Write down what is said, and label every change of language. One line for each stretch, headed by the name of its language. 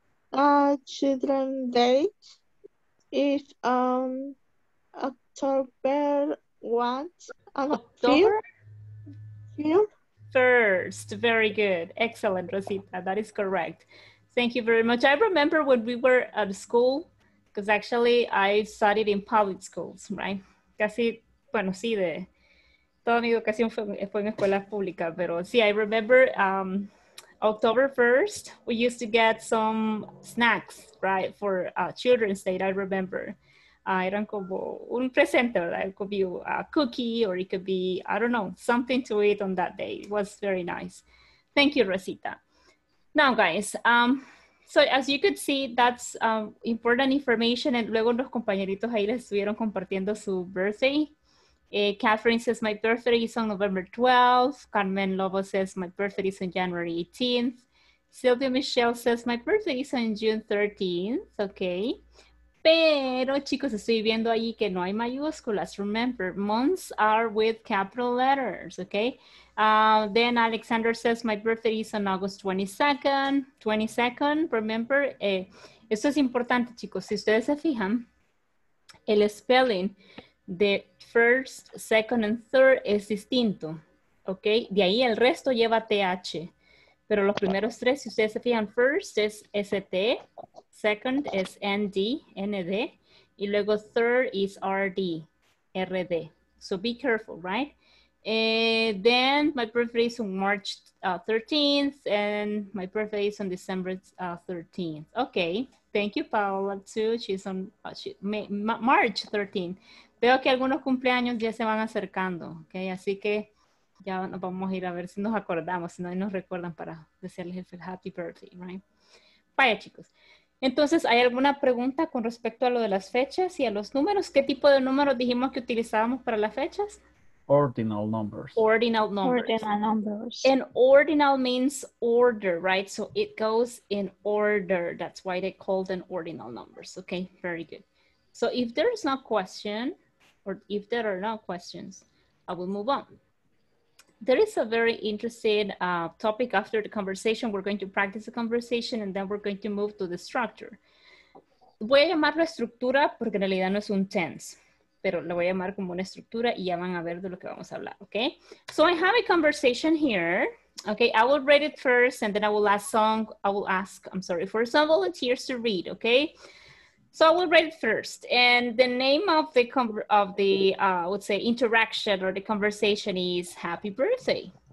English: Children's Day is on October 1st. October? 1st. Very good. Excellent, Rosita. That is correct. Thank you very much. I remember when we were at school, because actually I studied in public schools, right? Casi, bueno, sí, de toda mi educación fue en escuela pública, pero sí, I remember October 1st, we used to get some snacks, right, for Children's Day, I remember.
Spanish: Eran como un presente, ¿verdad?
English: It could be a cookie or it could be, I don't know, something to eat on that day. It was very nice. Thank you, Rosita. Now, guys, so as you could see, that's important information.
Spanish: And luego los compañeritos ahí les estuvieron compartiendo su birthday.
English: Catherine says, my birthday is on November 12th. Carmen Lobo says, my birthday is on January 18th. Sylvia Michelle says, my birthday is on June 13th. Okay.
Spanish: Pero, chicos, estoy viendo ahí que no hay mayúsculas.
English: Remember, months are with capital letters, okay? Then Alexander says, my birthday is on August 22nd.
Spanish: 22nd, remember? Esto es importante, chicos. Si ustedes se fijan, el spelling de first, second, and third es distinto, okay? De ahí el resto lleva TH. Pero los primeros tres, si ustedes se fijan, first es ST.
English: Second is ND, N-D, y luego third is RD, RD. So be careful, right? And then my birthday is on March 13th, and my birthday is on December 13th. Okay, thank you, Paola, too. She's on March 13th.
Spanish: Veo que algunos cumpleaños ya se van acercando, okay? Así que ya nos vamos a ir a ver si nos acordamos, si no nos recuerdan para desearles el happy birthday, right? Vaya, chicos. Entonces, ¿hay alguna pregunta con respecto a lo de las fechas y a los números? ¿Qué tipo de números dijimos que utilizábamos para las fechas?
English: Ordinal numbers. Ordinal numbers. Ordinal numbers. And ordinal means order, right? So it goes in order. That's why they call them ordinal numbers. Okay, very good. So if there is no question, or if there are no questions, I will move on. There is a very interesting topic after the conversation. We're going to practice the conversation and then we're going to move to the structure.
Spanish: Voy a llamar la estructura porque en realidad no es un tense, pero la voy a llamar como una estructura y ya van a ver de lo que vamos a hablar, okay?
English: So I have a conversation here. Okay, I will read it first and then I will ask for some volunteers to read, okay? So I will write it first, and the name of the I would say interaction or the conversation is happy birthday.